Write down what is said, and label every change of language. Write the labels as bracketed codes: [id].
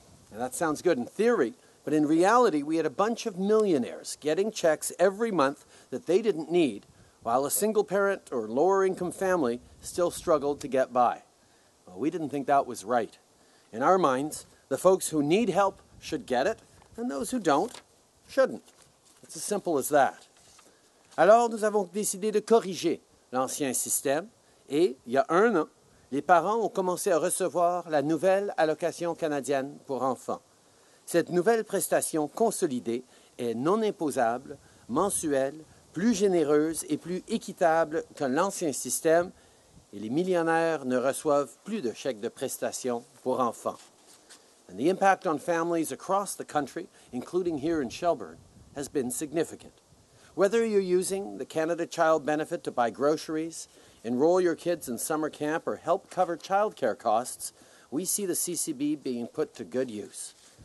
[en] Now that sounds good in theory, but in reality we had a bunch of millionaires getting checks every month that they didn't need, while a single parent or lower income family still struggled to get by. Well, we didn't think that was right. In our minds, the folks who need help should get it, and those who don't, shouldn't. It's as simple as that. [fr] Alors nous avons décidé de corriger l'ancien système, et il y a un an, les parents ont commencé à recevoir la nouvelle allocation canadienne pour enfants. Cette nouvelle prestation consolidée est non imposable, mensuelle, plus généreuse et plus équitable que l'ancien système, et les millionnaires ne reçoivent plus de chèques de prestation pour enfants. [en] And the impact on families across the country, including here in Shelburne, has been significant. Whether you're using the Canada Child Benefit to buy groceries, enroll your kids in summer camp, or help cover childcare costs, we see the CCB being put to good use.